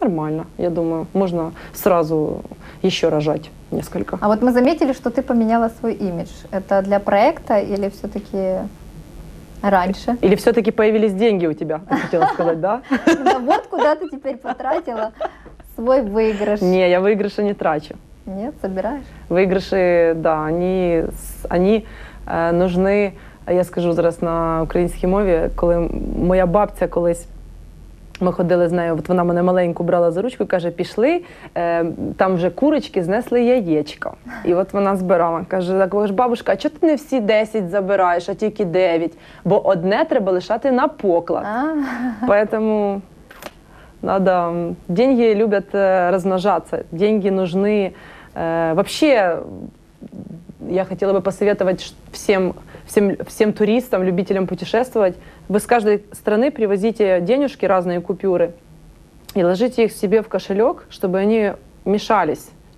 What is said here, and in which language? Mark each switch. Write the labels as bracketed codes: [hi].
[ru] Нормально, я думаю, можно сразу еще рожать несколько. А вот мы заметили, что ты поменяла свой имидж. Это для проекта или все-таки раньше? Или все-таки появились деньги у тебя, ты хотела сказать, да? Вот куда ты теперь потратила свой выигрыш. Не, я выигрыша не трачу. Нет, собираешь? Выигрыши, да, они нужны, [uk] я скажу зараз на українській мові, коли моя бабця колись, ми ходили з нею, от вона мене маленьку брала за ручку, каже, пішли, там вже курочки знесли яєчко. І от вона збирала, каже, так, бабушка, а чого ти не всі 10 забираєш, а тільки 9? Бо одне треба лишати на поклад. [ru] Поэтому... Надо. Деньги любят размножаться. Деньги нужны. Вообще, я хотела бы посоветовать всем туристам, любителям путешествовать. Вы с каждой страны привозите денежки, разные купюры, и ложите их себе в кошелек, чтобы они мешались.